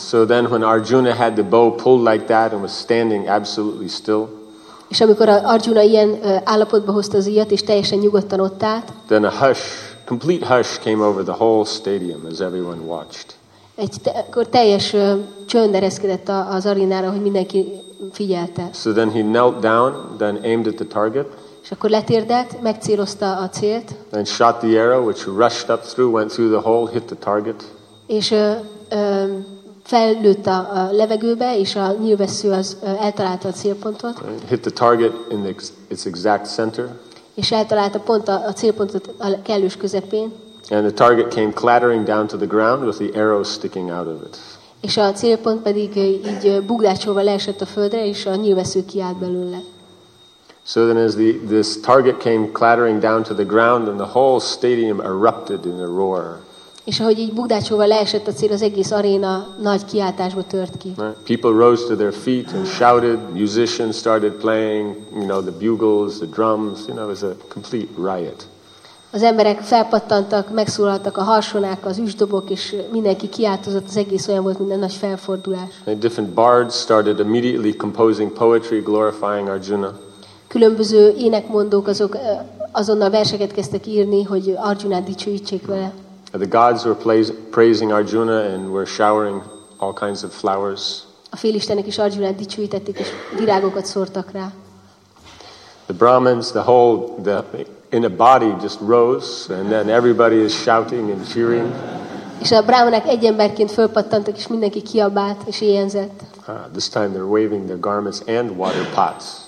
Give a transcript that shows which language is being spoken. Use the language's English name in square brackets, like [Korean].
[English] So then when Arjuna had the bow pulled like that and was standing absolutely still, [Hungarian] és amikor Arjuna ilyen állapotba hozta az íjat, és teljesen nyugodtan ott állt, [English] then a hush, complete hush came over the whole stadium as everyone watched. [Hungarian] Akkor teljes csönd ereszkedett az arénára, hogy mindenki figyelte. [English] So then he knelt down, then aimed at the target. [Hungarian] És akkor letérdelt, megcélozta a célt. [English] And shot the arrow, which rushed up through, went through the hole, hit the target. [Hungarian] És fellőtt a levegőbe, és a nyílvessző az eltalálta a célpontot. [English] And hit the target in its exact center. [Hungarian] És eltalálta pont a célpontot a kellős közepén. [English] And the target came clattering down to the ground with the arrow sticking out of it. [Hungarian] És a célpont pedig így buglácsolva leesett a földre, és a nyílvessző kiállt belőle. [English] So then as this target came clattering down to the ground, and the whole stadium erupted in a roar. [Hungarian] És ahogy így buglácsolva leesett a cél, az egész aréna nagy kiáltásba tört ki. [English] Right. People rose to their feet and shouted, musicians started playing, you know, the bugles, the drums, you know, it was a complete riot. [Hungarian] Az emberek felpattantak, megszólaltak a harsonák, az üsdobok, és mindenki kiáltozott, az egész olyan volt, mint egy nagy felfordulás. [English] And different bards started immediately composing poetry glorifying Arjuna. [Hungarian] különböző énekmondók azok azonnal verseket kezdtek írni, hogy Arjunát dicsőítsék vele. [English] The gods were praising Arjuna and were showering all kinds of flowers. [Hungarian] A félistenek is Arjunát dicsőítették és virágokat szórtak rá. [English] The Brahmins, the whole in a body just rose, and then everybody is shouting and cheering. [Hungarian] És a brahmanek egy emberként fölpattantak, és mindenki kiabált és éjjelzett. [English] This time they're waving their garments and water pots.